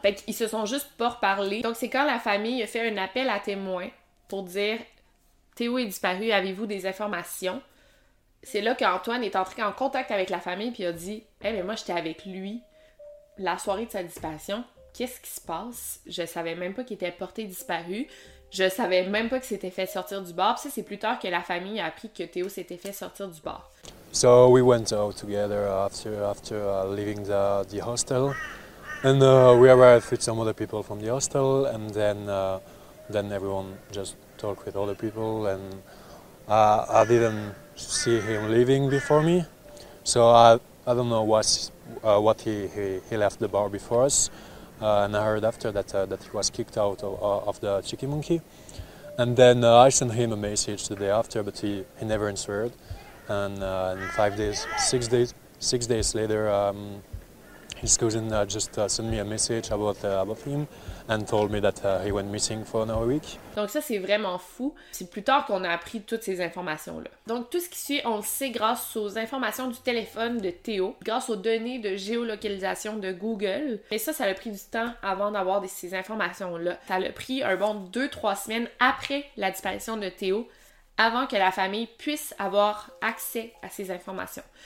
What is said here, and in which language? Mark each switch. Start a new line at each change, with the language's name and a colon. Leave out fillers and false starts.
French: Fait qu'ils se sont juste pas reparlés. Donc c'est quand la famille a fait un appel à témoins pour dire « Théo est disparu, avez-vous des informations? » C'est là qu'Antoine est entré en contact avec la famille puis a dit « Hey, mais moi j'étais avec lui. » la soirée de sa disparition, qu'est-ce qui se passe? Je savais même pas qu'il était porté disparu. Je savais même pas que c'était fait sortir du bar. Puis ça, c'est plus tard que la famille a appris que Théo s'était fait sortir du bar.
English: So we went out together after leaving the hostel, and we arrived with some other people from the hostel, and then everyone just talked with other people, and I didn't see him leaving before me, so I don't know what he left the bar before us. And I heard after that he was kicked out of the Cheeky Monkey. And then I sent him a message the day after, but he never answered. And six days later, his cousin just sent me a message about him and told me that he went missing for another week.
French: Donc ça, c'est vraiment fou. C'est plus tard qu'on a appris toutes ces informations-là. Donc tout ce qui suit, on le sait grâce aux informations du téléphone de Théo, grâce aux données de géolocalisation de Google. Mais ça, ça a pris du temps avant d'avoir ces informations-là. Ça a pris un bon 2-3 semaines après la disparition de Théo, avant que la famille puisse avoir accès à ces informations.